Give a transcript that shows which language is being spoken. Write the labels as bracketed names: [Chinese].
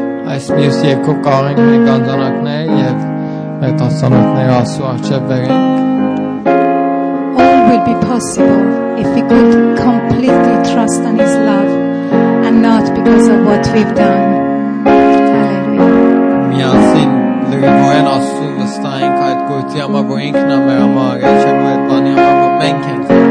[Armenian] Այս մյուս երկու կարենք մեր գանձանակներ եւ մեր տասանակները Աստծո առջեւ բերենք. [English] All will be possible if we could completely trust on His love and not because of what we've done. [Armenian] Միասին լրիվորեն Աստծո վստահենք այդ գործի համար, որ ինքն է մեր համար առաջեւ այդ բանի համար, որ մենք ենք.